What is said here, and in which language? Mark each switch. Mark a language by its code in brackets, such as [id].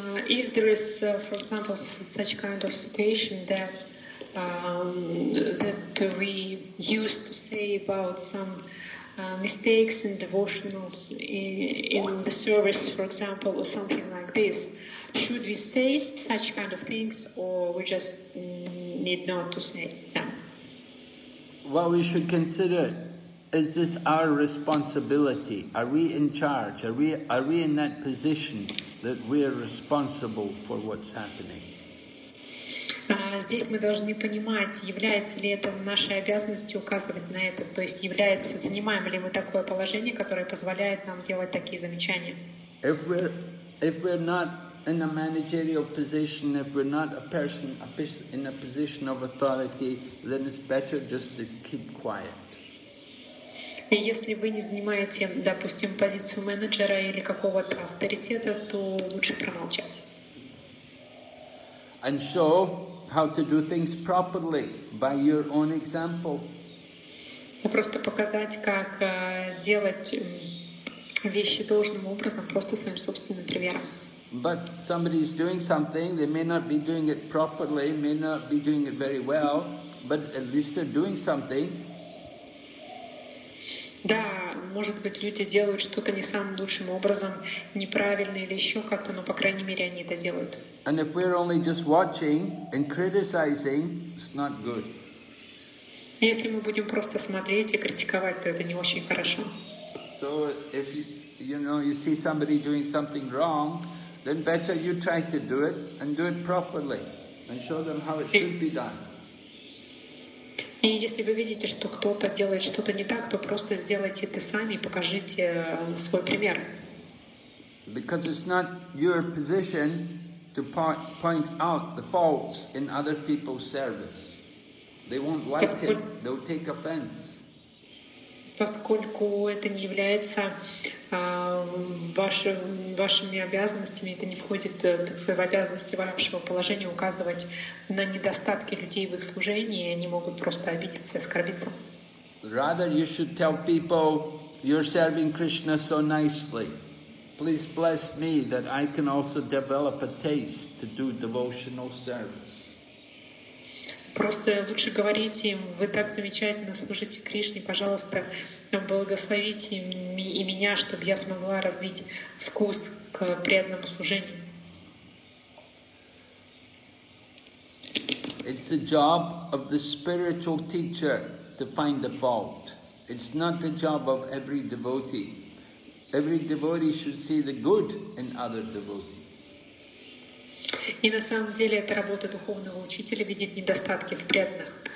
[en] If there is, for example, such kind of situation that that we used to say about some mistakes in devotionals in the service, for example, or something like this, should we say such kind of things, or we just need not to say them? What we should consider is this: our responsibility. Are we in charge? Are we in that position that we are responsible for what's happening? [ru] Здесь мы должны понимать, является ли это нашей обязанностью указывать на это, то есть является, занимаем ли мы такое положение, которое позволяет нам делать такие замечания. [en] If we're not in a managerial position, if we're not a person in a position of authority, then it's better just to keep quiet. [ru] И если вы не занимаете, допустим, позицию менеджера или какого-то авторитета, то лучше промолчать. [en] And so, how to do things properly by your own example. [ru] И просто показать, как делать вещи должным образом, просто своим собственным примером. [en] But somebody is doing something, they may not be doing it properly, may not be doing it very well, but at least they're doing something. [ru] Да, может быть, люди делают что-то не самым лучшим образом, неправильно или еще как-то, но, по крайней мере, они это делают. [en] And if we're only just watching and criticizing, it's not good. [ru] Если мы будем просто смотреть и критиковать, то это не очень хорошо. [en] So if you see somebody doing something wrong, then better you try to do it and do it properly and show them how it should be done. [ru] И если вы видите, что кто-то делает что-то не так, то просто сделайте это сами и покажите свой пример. [en] Because it's not your position to point out the faults in other people's service. They won't like it. They'll take offense. [ru] поскольку это не является вашими обязанностями, это не входит в обязанности вашего положения указывать на недостатки людей в их служении, и они могут просто обидеться, оскорбиться. [en] Rather, you should tell people you're serving Krishna so nicely. Please bless me that I can also develop a taste to do devotional service. [ru] Просто лучше говорите им, вы так замечательно служите Кришне, пожалуйста, благословите и меня, чтобы я смогла развить вкус к преданному служению. [en] It's the job of the spiritual teacher to find the fault. It's not the job of every devotee. Every devotee should see the good in other devotees. [ru] И на самом деле это работа духовного учителя — видеть недостатки в преданных.